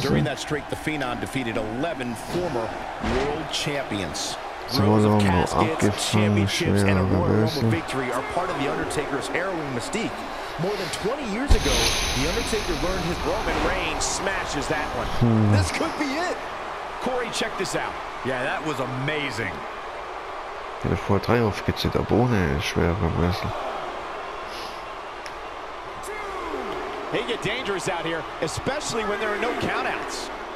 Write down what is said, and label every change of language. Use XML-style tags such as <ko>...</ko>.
<en>During that streak, the Phenom defeated 11 former world champions. Rows of caskets, championships, and a Royal Rumble victory are part of the Undertaker's harrowing mystique. More than 20 years ago, the Undertaker learned his Roman Reigns smashes that one. This could be it. Corey, check this out. Yeah, that was amazing.</en> <de>Ich hätte vorher 3 aufgezählt, aber ohne schwere Reversal.</de> <en>They get dangerous out here, especially when there are no countouts.</en>